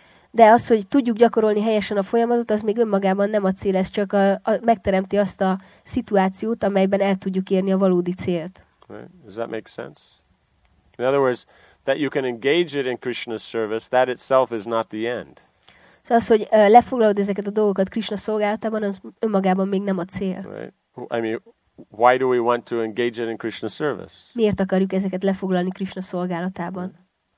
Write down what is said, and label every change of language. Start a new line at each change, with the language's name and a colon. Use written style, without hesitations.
Hungarian: De az, hogy tudjuk gyakorolni helyesen a folyamatot, az még önmagában nem a cél, ez csak megteremti azt a szituációt, amelyben el tudjuk érni a valódi célt.
English: Right. Does that make sense? In other words, that you can engage it in Krishna's service, that itself is not the end.
Hungarian: Szóval az, hogy lefoglalod ezeket a dolgokat Krishna szolgálatában, az önmagában még nem a cél.
English: Right. I mean, why do we want to engage it in Krishna's service?
Hungarian: Miért akarjuk ezeket lefoglalni Krishna szolgálatában?